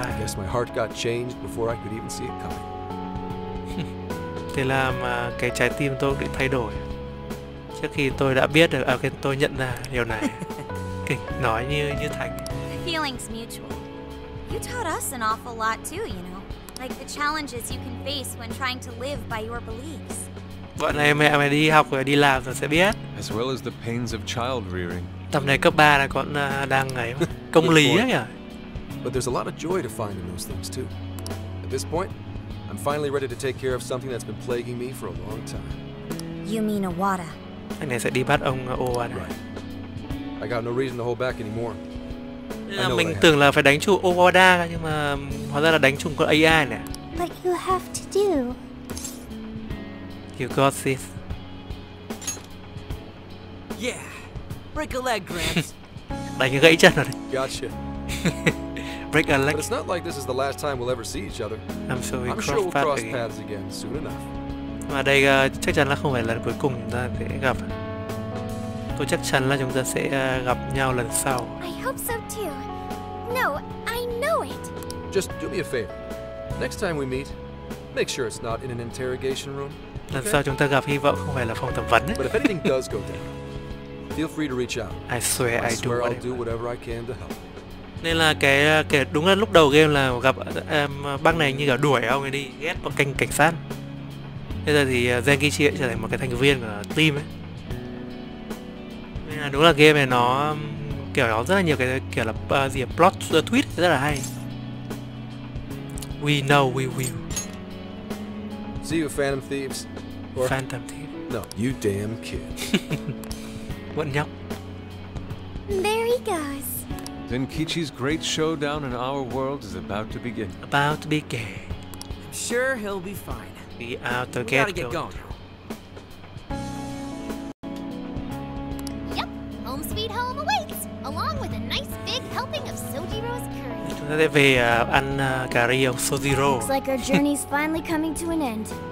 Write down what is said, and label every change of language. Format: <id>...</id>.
<en>I guess my heart got changed before I could even see it coming.</en> <vi>Thế là mà cái trái tim tôi bị thay đổi trước khi tôi đã biết được cái tôi nhận ra điều này. Kinh nói như Thành.</vi> <en>The feelings mutual. You taught us an awful lot too, you know. Like the challenges you can face when trying to live by your beliefs.</en> <vi>Bọn này mẹ mày đi học rồi đi làm rồi sẽ biết.</vi> <en>As well as the pains of child rearing.</en> <vi>Tầm này cấp 3 là con đang ấy công lý ấy nhỉ.</vi> <en>But there's a lot of joy to find in those things too. At this point, I'm finally ready to take care of something that's been plaguing me for a long time. You mean Iwata?</en> <vi>Anh này sẽ đi bắt ông Iwata.</vi> <en>Right. I got no reason to hold back anymore.</en> <vi>Mình tưởng là phải đánh trúng Iwata nhưng mà hóa ra là đánh trúng con AI nè.</vi> <en>But you have to do. You got this. Yeah. Break a leg, Gramps.</en> <vi>Đánh gãy chân rồi.</vi> <en>Gotcha. Break a leg. But it's not like this is the last time we'll ever see each other. I'm sure we'll cross paths again soon enough.</en> <vi>Mà đây chắc chắn là không phải lần cuối cùng chúng ta sẽ gặp. Tôi chắc chắn là chúng ta sẽ gặp nhau lần sau.</vi> <en>I hope so too. No, I know it. Just do me a favor. Next time we meet, make sure it's not in an interrogation room.</en> <vi>Lần sau chúng ta gặp hy vọng không phải là phòng thẩm vấn.</vi> <en>But if anything does go down, feel free to reach out. I swear I'll do whatever I can to help.</en> <vi>Nên là cái đúng là lúc đầu game là gặp bác này như kiểu đuổi ông ấy đi, ghét bọn canh cảnh sát. Bây giờ thì Zenkichi trở thành một cái thành viên của team ấy. Nên là đúng là game này nó kiểu nó rất là nhiều cái kiểu là gì plot twist rất là hay.</vi> <en>We know we will. See you, Phantom Thieves. Or... Phantom Thieves. No, you damn kid.</en> <vi>Bọn nhóc.</vi> <en>There he goes. Zenkichi's great showdown in our world is about to begin. About to begin. I'm sure he'll be fine. We out to get going. Yep, home sweet home awaits, along with a nice big helping of Sojiro's curry.</en> <vi>Chúng ta sẽ về ăn cà ri ông Sojiro.</vi> <en>Looks like our journey's finally coming to an end.</en>